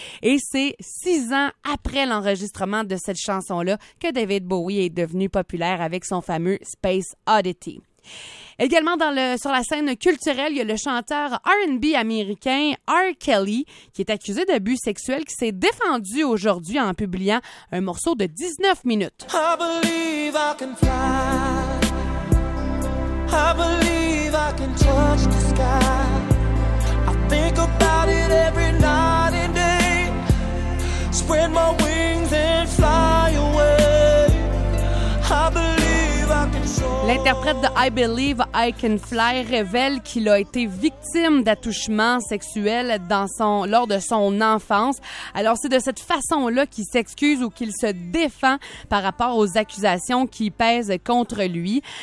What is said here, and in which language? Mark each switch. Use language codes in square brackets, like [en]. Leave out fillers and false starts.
[fr] Et c'est 6 ans après l'enregistrement de cette chanson-là que David Bowie est devenu populaire avec son fameux Space Oddity. Également sur la scène culturelle, il y a le chanteur R&B américain R. Kelly qui est accusé d'abus sexuels qui s'est défendu aujourd'hui en publiant un morceau de 19 minutes. [en] I believe I can fly. I believe I can touch the sky. I think about it every night and day. Spread my wings and fly away. I believe I can soar. [fr] L'interprète de I Believe I Can Fly révèle qu'il a été victime d'attouchements sexuels lors de son enfance. Alors, c'est de cette façon-là qu'il s'excuse ou qu'il se défend par rapport aux accusations qui pèsent contre lui.